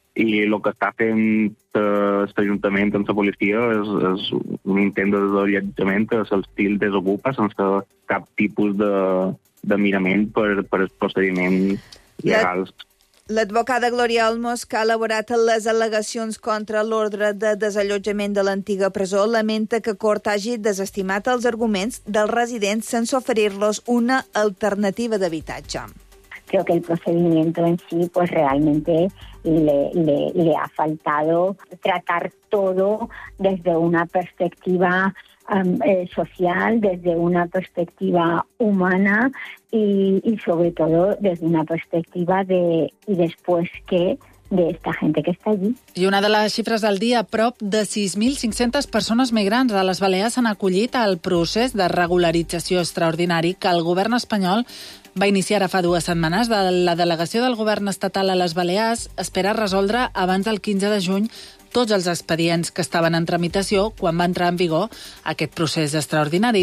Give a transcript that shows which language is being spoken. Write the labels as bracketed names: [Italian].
[Catalan] I el que està fent l'Ajuntament amb la policia és un intent de desallotjament que se'ls desocupa sense cap tipus de mirament per el procediment legal. L'advocada Glòria Olmos, que ha elaborat les al·legacions contra l'ordre de desallotjament de l'antiga presó, lamenta que Cort hagi desestimat els arguments dels residents sense oferir-los una alternativa d'habitatge. [Spanish] Creo que el procedimiento en sí pues realmente le ha faltado tratar todo desde una perspectiva social, desde una perspectiva humana y sobre todo desde una perspectiva de y después que de esta gente que está allí. [Catalan] I una de les xifres del dia, prop de 6.500 persones migrants de les Balears s'han acollit al procés de regularització extraordinari que el govern espanyol va iniciar fa dues setmanes. La delegació del govern estatal a les Balears espera resoldre abans del 15 de juny tots els expedients que estaven en tramitació quan va entrar en vigor aquest procés extraordinari.